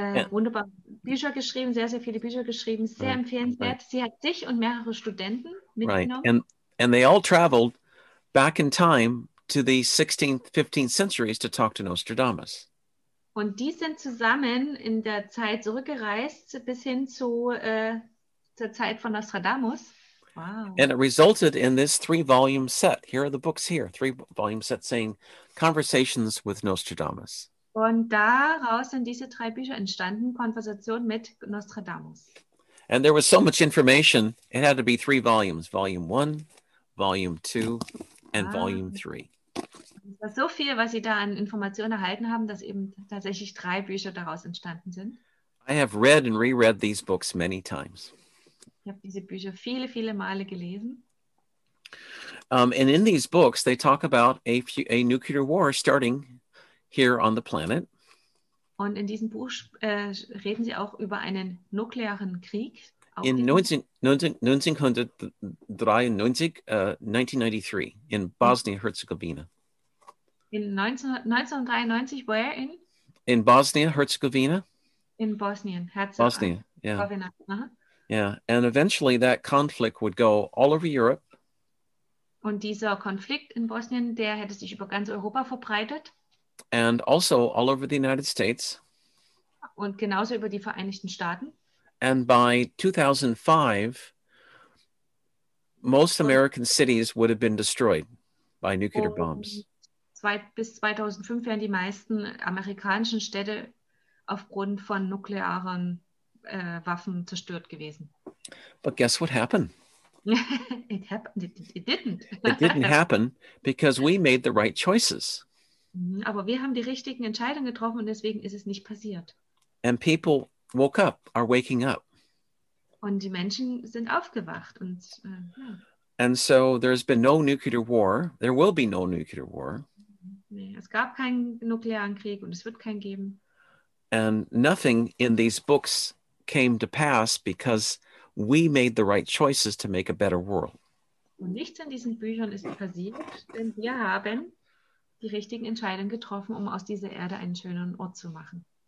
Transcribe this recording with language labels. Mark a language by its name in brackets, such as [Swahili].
[German] Wunderbar Bücher geschrieben, sehr, sehr viele Bücher geschrieben, sehr empfehlenswert. Sie hat sich und mehrere Studenten mitgenommen. [English] Right. And they all traveled back in time to the 16th, 15th centuries to talk to Nostradamus. [German] Und die sind zusammen in der Zeit zurückgereist bis hin zu zur Zeit von Nostradamus. [English] Wow. And it resulted in this three-volume set. Here are the books here, three-volume set saying Conversations with Nostradamus. [German] Und daraus sind diese drei Bücher entstanden, Konversation mit Nostradamus. [English] And there was so much information, it had to be three volumes, volume one, volume two, and volume three. [German] Es war so viel, was Sie da an Informationen erhalten haben, dass eben tatsächlich drei Bücher daraus entstanden sind. [English] I have read and reread these books many times. [German] Ich habe diese Bücher viele, viele Male gelesen. [English] And in these books, they talk about a nuclear war starting here on the planet. [German] Und in diesem Buch reden sie auch über einen nuklearen Krieg. [English] In 1993 in Bosnia-Herzegovina. In 1993, where in? In Bosnia-Herzegovina. In Bosnia-Herzegovina. Bosnia, yeah. Yeah, and eventually that conflict would go all over Europe. [German] Und dieser Konflikt in Bosnien, der hätte sich über ganz Europa verbreitet. [English] And also all over the United States. [German] Und genauso über die Vereinigten Staaten. [English] And by 2005, most American cities would have been destroyed by nuclear bombs. [German] Bis 2005 wären die meisten amerikanischen Städte aufgrund von nuklearen Waffen zerstört gewesen. [English] But guess what happened? It happened. It didn't. It didn't happen because we made the right choices. [German] Aber wir haben die richtigen Entscheidungen getroffen und deswegen ist es nicht passiert. [English] And people woke up, are waking up. [German] Und die Menschen sind aufgewacht und [English] And so there's been no nuclear war. There will be no nuclear war. [German] Nee, es gab keinen nuklearen Krieg und es wird keinen geben. [English] And nothing in these books came to pass because we made the right choices to make a better world. [German] Und nichts in diesen Büchern ist passiert, denn wir haben die richtigen Entscheidungen getroffen, um aus dieser Erde einen schönen Ort zu machen.